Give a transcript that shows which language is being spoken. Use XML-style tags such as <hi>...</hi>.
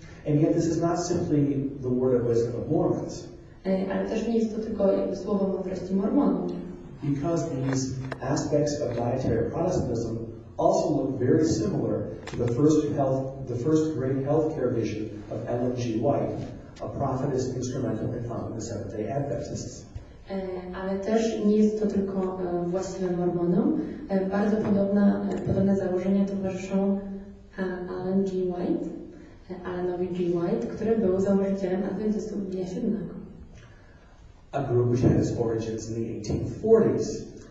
<en>And yet this is not simply the word of wisdom of Mormons.</en> <pl>Ale też nie jest to tylko słowo mądrości Mormonów.</pl> <en>Because these aspects of dietary Protestantism also look very similar to the first health, the first great healthcare vision of Ellen G. White, a prophetess instrumental in founding the Seventh-day Adventists.</en> <pl>Ale też nie jest to tylko właściwe Mormonom. Bardzo podobne założenia towarzyszą Ellen G. White. Alanowi G. White, który był założycielem Adwentystów Dnia Siódmego.</pl> <en>A group which had its origins in the 1840s.</en>